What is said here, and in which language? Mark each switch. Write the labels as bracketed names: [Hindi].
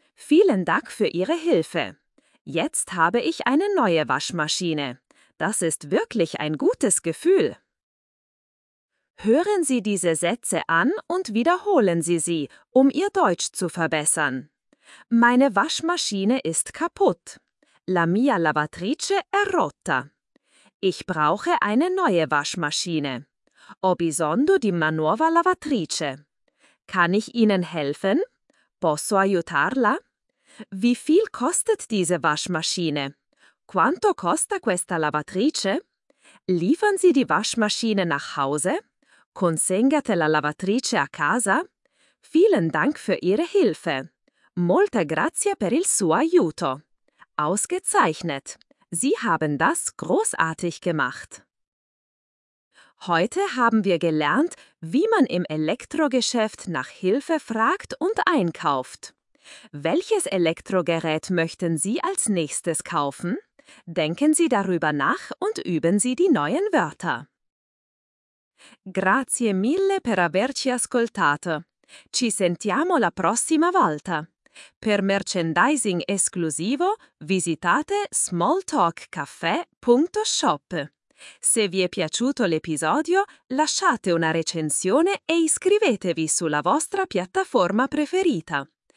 [German] Vielen Dank für Ihre Hilfe. Jetzt habe ich eine neue Waschmaschine. Das ist wirklich ein gutes Gefühl. Hören Sie diese Sätze an und wiederholen Sie sie, um Ihr Deutsch zu verbessern. Meine Waschmaschine ist kaputt. [Italian] La mia lavatrice è rotta. [German] Ich brauche eine neue Waschmaschine. [Italian] Ho bisogno di una nuova lavatrice. [German] Kann ich Ihnen helfen? [Italian] Posso aiutarla? [German] Wie viel kostet diese Waschmaschine? [Italian] Quanto costa questa lavatrice? [German] Liefern Sie die Waschmaschine nach Hause? [Italian] Consegnate la lavatrice a casa? [German] Vielen Dank für Ihre Hilfe. [Italian] Molte grazie per il suo aiuto. [German] Ausgezeichnet. Sie haben das großartig gemacht. Heute haben wir gelernt, wie man im Elektrogeschäft nach Hilfe fragt und einkauft. Welches Elektrogerät möchten Sie als nächstes kaufen? Denken Sie darüber nach und üben Sie die neuen Wörter. [Italian] Grazie mille per averci ascoltato. Ci sentiamo la prossima volta. Per merchandising esclusivo visitate smalltalkcafe.shop. Se vi è piaciuto l'episodio, lasciate una recensione e iscrivetevi sulla vostra piattaforma preferita.